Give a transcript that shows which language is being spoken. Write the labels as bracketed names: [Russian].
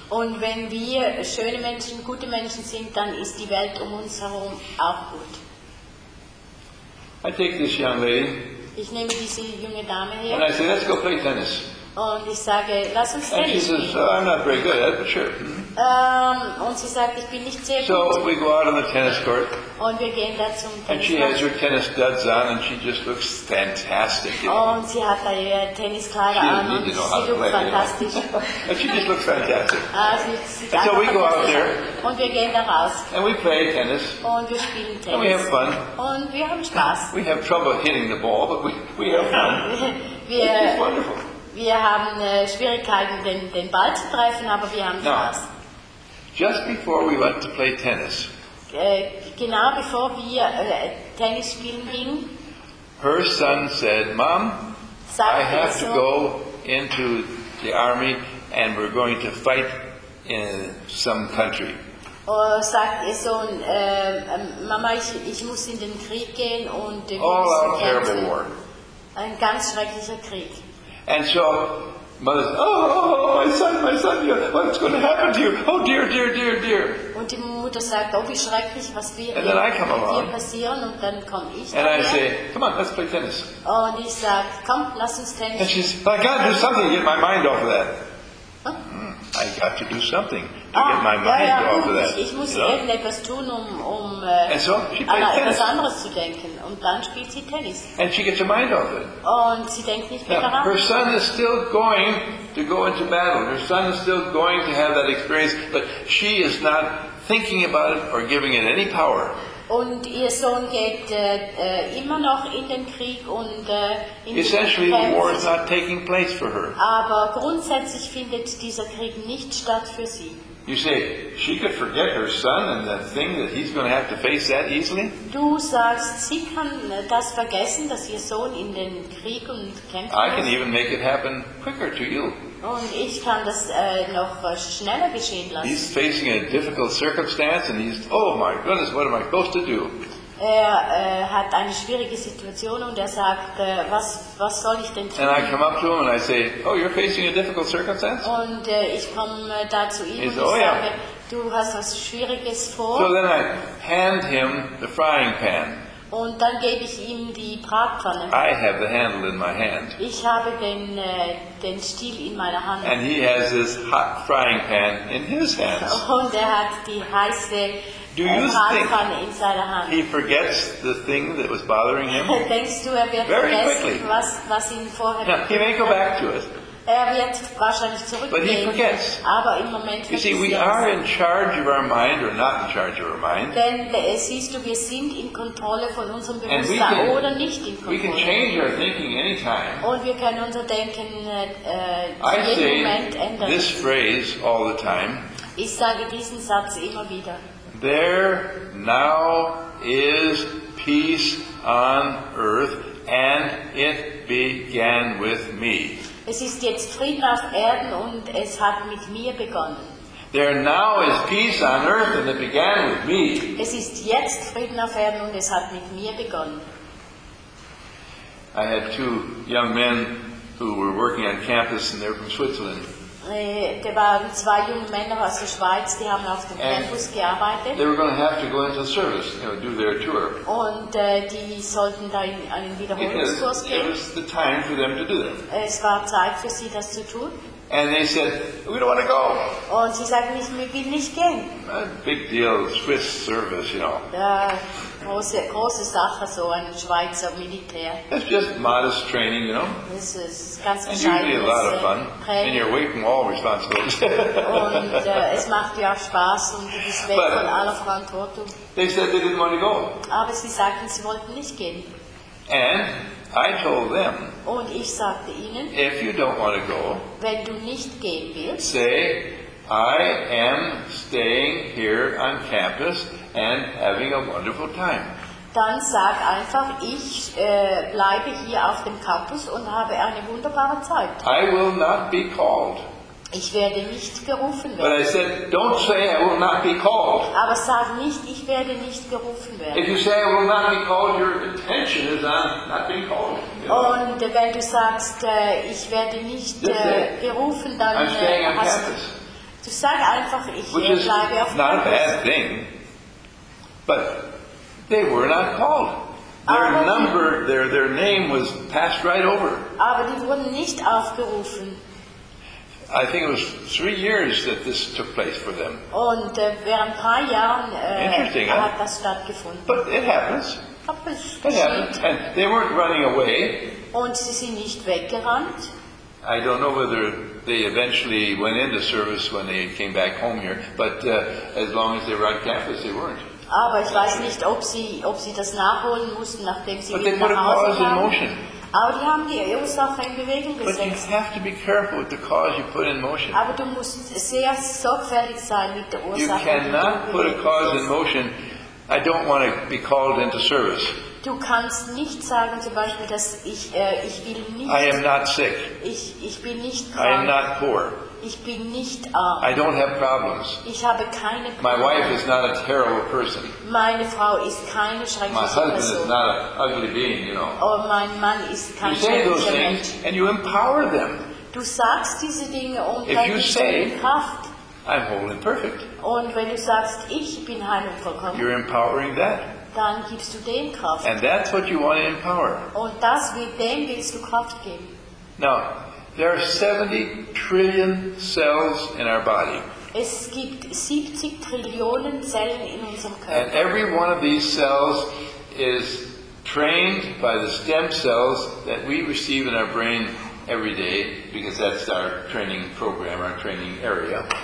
[German] Und wenn wir schöne Menschen, gute Menschen sind, dann ist die Welt um uns herum auch gut. [English] I take this young lady. [German] Ich nehme diese junge Dame her. [English] And I say, let's go play tennis. [German] Und ich sage, lass uns [English] and she says, oh, I'm not very good at it, but sure. [German] Und sie sagt, ich bin nicht sehr so gut. [English] We go out on the tennis court. [German] Und wir gehen da zum [English] and she has her tennis duds on and she just looks fantastic. [German] Und sie hat ihre Tenniskleider an und sie looks fantastisch. [English] And she just looks fantastic. And so we go out there. [German] Und wir gehen da raus. [English] And we play tennis. [German] Und wir spielen Tennis. [English] And we have fun. [German] Und wir haben Spaß. [English] We have trouble hitting the ball, but we have fun. It's wonderful. [German] Wir haben Schwierigkeiten, den Ball zu treffen, aber wir haben Spaß. [English] Now, just before we went to play tennis, [German] genau bevor wir Tennis spielen gingen, [English] her son said, Mom, I have so, to go into the army and we're going to fight in some country. [German] Sagt ihr Sohn, Mama, ich muss in den Krieg gehen und [English] all out terrible war. [German] Ein ganz schrecklicher Krieg. [English] And so, mother says, oh, my son, what's going to happen to you? Oh, dear. [German] Und die Mutter sagt, oh, wie schrecklich, was wird [English] and then I come along. [German] Passieren? Und dann komm ich [English] and I say, come on, let's play tennis. [German] Und ich sag, komm, lass uns tennis. [English] And she says, but I got to do something to get my mind off of that. I got to do something to get my mind off of that. [German] Ich muss irgendetwas tun, etwas anderes zu denken. Und dann spielt sie Tennis. [English] And she gets her mind off it. [German] Und sie denkt nicht mehr daran. [English] Her son is still going to go into battle. Her son is still going to have that experience, but she is not thinking about it or giving it any power. [German] Und ihr Sohn geht immer noch in den Krieg und in [English] essentially, [German] den Kämpfen. [English] The war is not taking place for her. [German] Aber grundsätzlich findet dieser Krieg nicht statt für sie. [English] You say she could forget her son and the thing that he's going to have to face that easily? [German] Du sagst, sie kann das vergessen, dass ihr Sohn in den Krieg und kämpfen muss. [English] I can even make it happen quicker to you. [German] Und ich kann das noch schneller geschehen lassen. [English] He's facing a difficult circumstance and he's, oh my goodness, what am I supposed to do? [German] hat eine schwierige Situation und sagt, was soll ich denn tun? [English] And I come up to him and I say, oh, you're facing a difficult circumstance? [German] Und ich komme da zu ihm und sage, du hast was Schwieriges vor. [English] So then I hand him the frying pan. [German] Und dann gebe ich ihm die Bratpfanne. [English] I have the handle in my hand. [German] Ich habe den Stiel in meiner Hand. [English] And he has his hot frying pan in his hands. [German] Und hat die heiße Bratpfanne in seiner Hand. [English] He forgets the thing that was bothering him. [German] Denkst du, wird [English] very [German] vergessen, [English] quickly. [German] Was ihn vorher [English] now, he may go back to it. [German] Wird wahrscheinlich zurückgehen. [English] But he forgets. [German] Aber im Moment [English] you see, we are in charge of our mind or not in charge of our mind. [German] Denn siehst du, wir sind in Kontrolle von unserem Bewusstsein oder nicht in Kontrolle. [English] We can change our thinking anytime. [German] Und wir können unser Denken jeden Moment ändern. [English] This phrase all the time. [German] Ich sage diesen Satz immer wieder. [English] There now is peace on earth, and it began with me. [German] Es ist jetzt Frieden auf Erden und es hat mit mir begonnen. [English] There now is peace on earth and it began with me. [German] Es ist jetzt Frieden auf Erden und es hat mit mir begonnen. [English] I had two young men who were working on campus and they're from Switzerland. [German] Da waren zwei junge Männer aus der Schweiz, die haben auf dem Campus gearbeitet. [English] They were going to have to go into service, you know, do their tour. [German] Und die sollten da in einen Wiederholungskurs gehen. [English] It was the time for them to do that. [German] Es war Zeit für sie, das zu tun. [English] And they said, we don't want to go. [German] Und sie sagten, ich will nicht gehen. [English] A big deal, Swiss service, you know. [German] Große Sache, so ein Schweizer Militär. [English] It's just modest training, you know. This is ganz and usually a lot of fun. Training. And you're away from all responsibilities. [German] Und es macht ja Spaß und du bist weg von aller Verantwortung. [English] They said they didn't want to go. [German] Aber sie sagten, sie wollten nicht gehen. [English] And I told them, [German] und ich sagte ihnen, [English] if you don't want to go, [German] wenn du nicht gehen willst, [English] say, I am staying here on campus and having a wonderful time. [German] Dann sag einfach, ich bleibe hier auf dem Campus und habe eine wunderbare Zeit. [English] I will not be called. [German] Ich werde nicht gerufen werden. [English] But I said, don't say I will not be called. [German] Aber sag nicht, ich werde nicht gerufen werden. [English] If you say I will not be called, your intention is on not being called. [German] Und wenn du sagst, ich werde nicht gerufen, dann [English] I'm staying on campus. [German] Du sag einfach, ich bleibe auf dem Campus. [English] Not a bad thing. But they were not called. Their number, their name was passed right over. [German] Aber die wurden nicht aufgerufen. [English] I think it was 3 years that this took place for them. [German] Und während ein paar Jahren hat das stattgefunden. [English] But it happens. [German] Aber es geschieht. [English] And they weren't running away. [German] Und sie sind nicht weggerannt. [English] I don't know whether they eventually went into service when they came back home here, but as long as they were on campus, they weren't. [German] Aber ich weiß nicht, ob sie das nachholen mussten, nachdem sie wieder nach Hause kamen. [English] But they put a cause in [German] aber die haben die Ursache in Bewegung gesetzt. [English] But you have to be careful with the cause you put in motion. [German] Aber du musst sehr sorgfältig sein mit der Ursache. [English] You cannot put a cause in motion. I don't want to be called into service. [German] Du kannst nicht sagen, zum Beispiel, dass ich will nicht. [English] I am not sick. [German] Ich bin nicht [English] krank. I am not poor. [German] Ich bin nicht arm. [English] I don't have problems. [German] Ich habe keine Probleme. [English] My wife is not a terrible person. [German] Meine Frau ist keine schreckliche [English] my husband [German] Person. [English] Is not an ugly being, you know. [German] Oh, mein Mann ist kein [English] you say those things and you empower them. [German] Du sagst diese Dinge und [English] if you say, [German] Kraft. [English] I'm whole and perfect. [German] Und wenn du sagst, ich bin heil und vollkommen, [English] you're empowering that. [German] Dann gibst du dem Kraft. [English] And that's what you want to empower. [German] Und das mit dem willst du Kraft geben. [English] Now, there are 70 trillion cells in our body. [German] Es gibt 70 Trillionen Zellen in unserem Körper. [English] And every one of these cells is trained by the stem cells that we receive in our brain every day, because that's our training program, our training area.